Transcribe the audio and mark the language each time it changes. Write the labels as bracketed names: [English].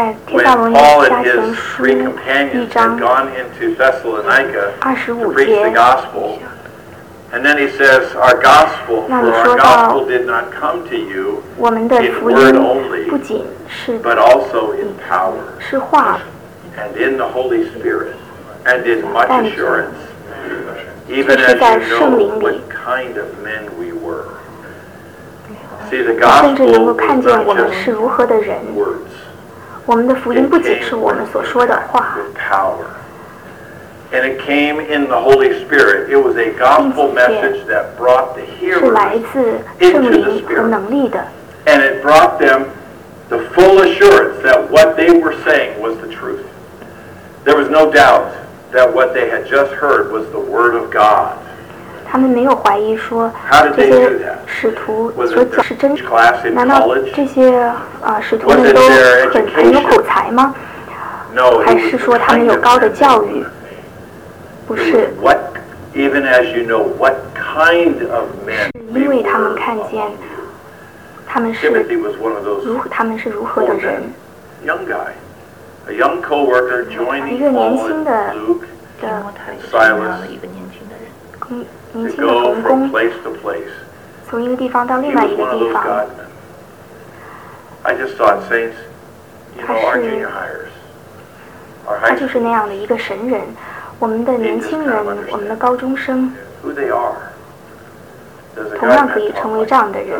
[English] When Paul and his three companions had gone into Thessalonica to preach the gospel, and then he says, our gospel, for our gospel did not come to you in word only, but also in power, and in the Holy Spirit, and in much assurance. even as you know what kind of men we were. See, the gospel is not just words. [Chinese] 我们的福音不仅是我们所说的话。 [English] And it came in the Holy Spirit. It was a gospel message that brought the hearers into the Spirit. And it brought them the full assurance that what they were saying was the truth. There was no doubt that what they had just heard was the Word of God. How did they do that? Was it their class in college? Was it their education? No, it was a kind of education. [Chinese] 不是 [English] what, even as you know, what kind of men [Chinese] 是因为他们看见他们是 [English] Timothy was one of those [Chinese] 他们是如何的人 [English] young guy, a young co-worker joining Paul and Luke and Silas to go from place to place. [Chinese] 从一个地方到另外一个地方 [English] He was one of those godmen. I just thought, saints, you know, our junior hires, our high [Chinese] 他就是那样的一个神人我们的年轻人我们的高中生同样可以成为这样的人